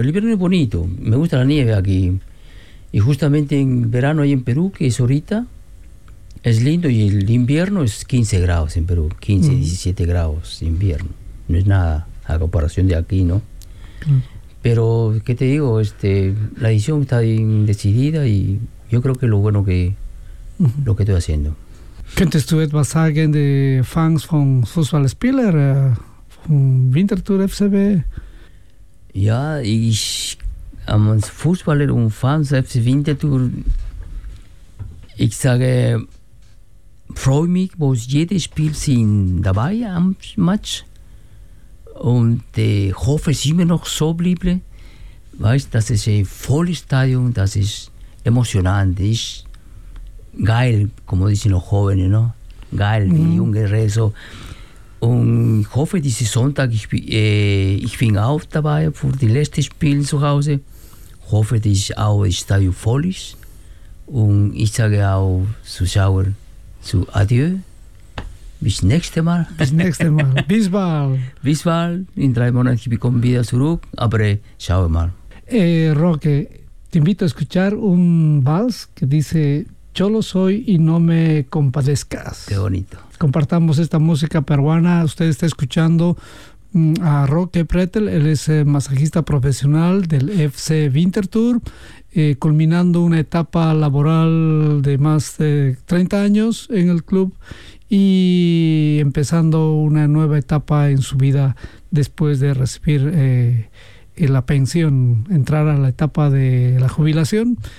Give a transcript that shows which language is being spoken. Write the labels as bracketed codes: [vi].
[es] El invierno es bonito, me gusta la nieve aquí. Y justamente en verano ahí en Perú, que es ahorita, es lindo, y el invierno es 15 grados en Perú, 15, 17 grados invierno. No es nada a comparación de aquí, ¿no? Pero, ¿qué te digo? La decisión está indecidida y yo creo que lo bueno que lo que estoy haciendo. [de] ¿Könntest du etwas sagen de Fans von Fußball Spieler, von Winterthur FCB? Ja, ich... Als Fußballer und Fans FC Winterthur, ich sage, freue mich, wo jedes Spiel sind dabei am Match, und hoffe es immer noch so bleibe, weißt, das ist ein volles Stadion, das ist emotionant, ist geil, [es] como dicen los jóvenes, ¿no? [de] Geil, die junge Rezo. Und ich hoffe, diesen Sonntag, ich bin auch dabei für die letzte Spiel zu Hause. Ich hoffe, dass ich auch das Stadion voll ist. Und ich sage auch Zuschauer zu Adieu. Bis nächstes Mal. Bis nächstes Mal. Bis bald. Bis bald. In 3 Monaten ich komme wieder zurück. Aber schau mal. [es] Roque, te invito a escuchar un vals que dice Cholo soy y no me compadezcas. Qué bonito. Compartamos esta música peruana. Usted está escuchando a Roque Pretel, él es masajista profesional del FC Winterthur, culminando una etapa laboral de más de 30 años en el club y empezando una nueva etapa en su vida después de recibir la pensión, entrar a la etapa de la jubilación.